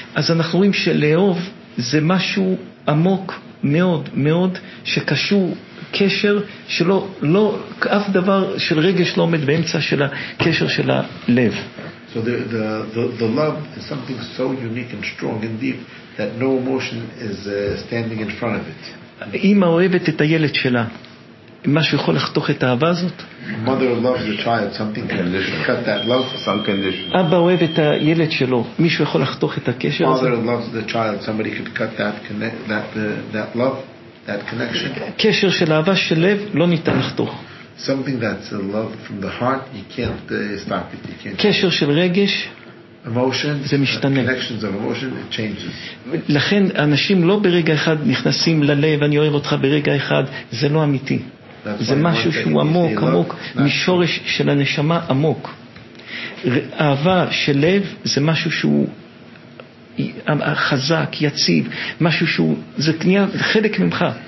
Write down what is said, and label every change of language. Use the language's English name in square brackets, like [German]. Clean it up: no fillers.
[Hebrew] אז אנחנו רואים שלאהוב זה משהו עמוק מאוד מאוד שקשור קשר שלא, לא, אף דבר של רגש לא עומד באמצע של הקשר של הלב. [English] So the love is something so unique and strong and deep that no emotion is standing in front of it. [Hebrew] אמא אוהבת את הילד שלה, משהו יכול לחתוך את האהבה הזאת? [English] Mother loves the child, something can cut that love, some condition. [Hebrew] אבא אוהב את הילד שלו, מישהו יכול לחתוך את הקשר הזה? [English] Father loves the child, somebody could cut that love, that connection. [Hebrew] קשר של אהבה של לב לא ניתן לחתוך. [English] Something that's a love from the heart, you can't stop it, you can't. [Hebrew] קשר של רגש, [English] emotion, [Hebrew] זה משתנה. [English] Connections of emotion, it changes. [Hebrew] לכן אנשים לא ברגע אחד נכנסים ללב, אני אוהב אותך ברגע אחד, זה לא אמיתי. זה משהו שהוא עמוק, עמוק, משורש של הנשמה עמוק. אהבה של לב זה משהו שהוא חזק, יציב, משהו שהוא, זה קנייה, חלק ממך.